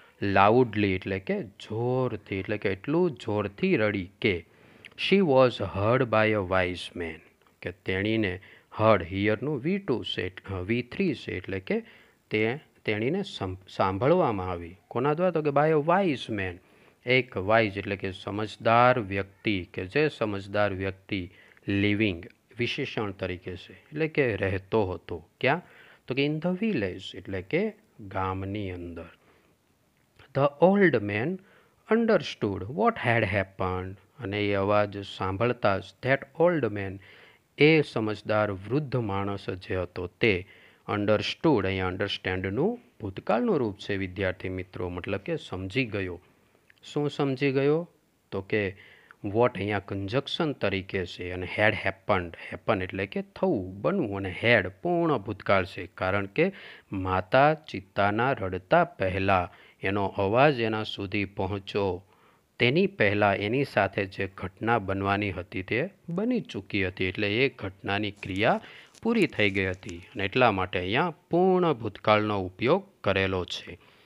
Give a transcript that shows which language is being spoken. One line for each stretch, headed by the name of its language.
Gujarati: Loudly એટલે કે જોરથી, એટલે કે એટલું જોરથી રડી કે
English: she was heard by a wise man,
Gujarati: કે તેણીને હર્ડ, હિયરનું V2 છે, V3 છે એટલે કે તેણીને સાંભળવામાં આવી. કોના દ્વારા? તો કે
English: by a wise man,
Gujarati: એક વાઇઝ એટલે કે સમજદાર વ્યક્તિ, કે જે સમજદાર વ્યક્તિ લિવિંગ વિશેષણ તરીકે છે એટલે કે રહેતો હતો. ક્યાં? તો કે
English: in the village
Gujarati: એટલે કે ગામની અંદર.
English: The old man understood what had happened.
Gujarati: અને એ અવાજ સાંભળતા જ
English: that old man,
Gujarati: એ સમજદાર વૃદ્ધ માણસ જે હતો તે અન્ડરસ્ટૂડ, અહીં અન્ડરસ્ટેન્ડનું ભૂતકાળનું રૂપ છે વિદ્યાર્થી મિત્રો, મતલબ કે સમજી ગયો. શું સમજી ગયો? તો કે વોટ અહીંયા કન્જક્શન તરીકે છે, અને હેડ હેપન્ડ, હેપન એટલે કે થવું, બનવું, અને હેડ પૂર્ણ ભૂતકાળ છે, કારણ કે માતા ચિત્તાના રડતા પહેલાં એનો અવાજ એના સુધી પહોંચ્યો, તેની પહેલાં એની સાથે જે ઘટના બનવાની હતી તે બની ચૂકી હતી, એટલે એ ઘટનાની ક્રિયા પૂરી થઈ ગઈ હતી, અને એટલા માટે અહીંયા પૂર્ણ ભૂતકાળનો ઉપયોગ કરેલો છે.